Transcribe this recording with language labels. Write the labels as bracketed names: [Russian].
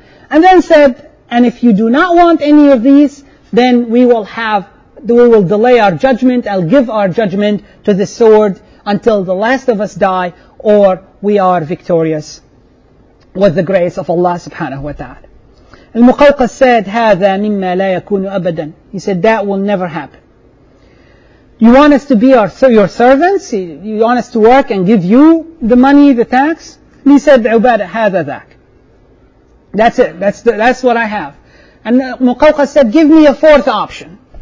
[English] And then said, and if you do not want any of these, then we will delay our judgment, I'll give our judgment to the sword until the last of us die, or we are victorious with the grace of Allah subhanahu wa ta'ala. Al-Muqawqas said, [Arabic] هَذَا مِمَّا لَا يَكُونُ أَبَدًا. [English] He said, that will never happen. You want us to be your servants? You want us to work and give you the money, the tax? And he said, [Arabic] عُبَادَ هَذَا ذَاك. [English] That's it. That's what I have. And Muqawqas said, give me a fourth option.